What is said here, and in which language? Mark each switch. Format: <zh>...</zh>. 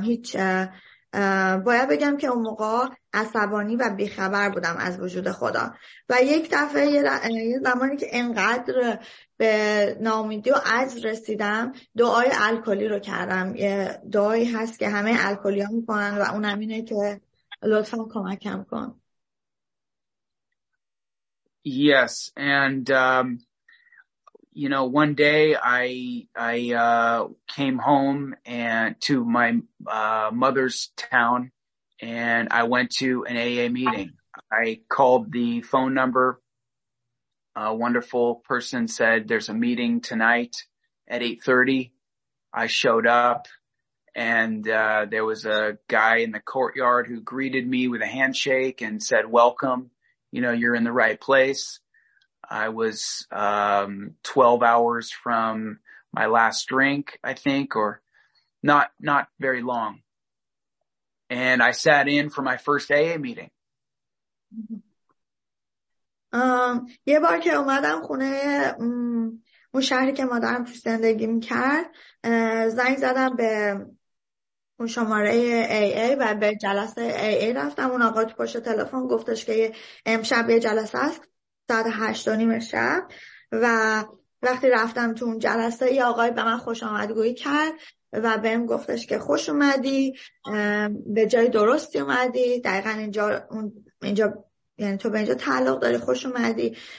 <fa>هیچ باید بگم که اون موقع عصبانی و بیخبر بودم از وجود خدا و یک دفعه یه زمانی که انقدر به ناامیدی و عجز رسیدم، دعای الکلی رو کردم. یه دعایی هست که همه الکلی ها میکنن و اونم اینه که لطفا کمکم کن.</fa> <en>Yes, and you know, one day I came home and to my mother's town, and I went to an AA meeting. I called the phone number. A wonderful person said, there's a meeting tonight at 8:30. I showed up, and there was a guy in the courtyard who greeted me with a handshake and said, welcome, you know, you're in the right place. I was 12 hours from my last drink, I think, or not very long. And I sat in for my first AA meeting.</en> <fa>یه بار که اومدم خونه اون شهری که مادرم توش زندگی میکرد، زنگ زدم به اون شماره AA و به جلسه AA رفتم. اون آقا تو پشت تلفن گفتش که امشب یه جلسه است ساعت 8:30 شب، و وقتی رفتم تو اون جلسه یه آقای به من خوش آمدگویی کرد و بهم گفتش که خوش اومدی، به جای درستی اومدی، دقیقا اینجا یعنی تو به اینجا تعلق داری، خوش اومدی.</fa>